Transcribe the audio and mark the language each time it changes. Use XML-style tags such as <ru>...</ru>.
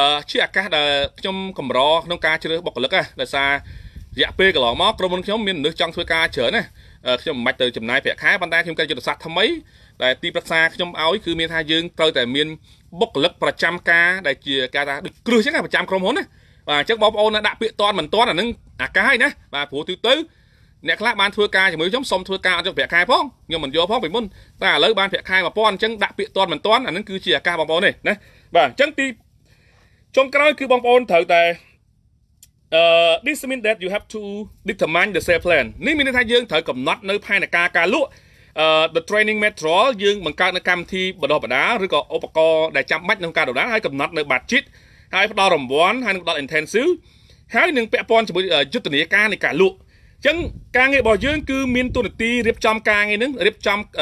<km>ជាឱកាសដែលខ្ញុំកម្រក្នុងការជ្រើសបុគ្គលិកដែរថារយៈពេលកន្លងមកក្រុមហ៊ុនខ្ញុំមានមនុស្សចង់ធ្វើការច្រើនណាខ្ញុំមិនបាច់ទៅចំណាយប្រាក់ខែប៉ុន្តែខ្ញុំគិតយុទ្ធសាស្ត្រថ្មីដែលទីប្រឹក្សាខ្ញុំឲ្យគឺមានថាយើងត្រូវតែមានបុគ្គលិកប្រចាំការដែលជាការថាដូចគ្រឹះចឹងណាប្រចាំក្រុមហ៊ុនណាបាទអញ្ចឹងបងប្អូនដាក់ពាក្យតនមិនតនអានឹងអាកាសហើយណាបាទព្រោះទូទៅ អ្នកខ្លះបានធ្វើការជាមួយខ្ញុំសុំធ្វើការអត់យកប្រាក់ខែផងខ្ញុំមិនយកផងពីមុនតែឥឡូវបានប្រាក់ខែ1000អញ្ចឹងដាក់ពាក្យតនមិនតនអានឹងគឺជាអាកាសបងប្អូនទេណាបាទអញ្ចឹងទីចុងក្រោយគឺបងប្អូនត្រូវតែ</km> <en>this means that you have to determine the sale plan.</en> <km>នេះមានន័យថាយើងត្រូវកំណត់នៅផែនការការលក់ the training material យើងបង្កើតនៅកម្មវិធីបណ្ដោះបណ្ដាឬក៏ឧបករណ៍ដែលចាំបាច់ក្នុងការដំណើរហើយកំណត់នៅ budget ហើយផ្ដល់រង្វាន់ហើយនឹងផ្ដល់ intensive ហើយនឹងពាក់ព័ន្ធជាមួយយុទ្ធនាការនៃការលក់អញ្ចឹងការងាររបស់យើងគឺមានតួនាទីរៀបចំការងារនឹងរៀបចំ</km>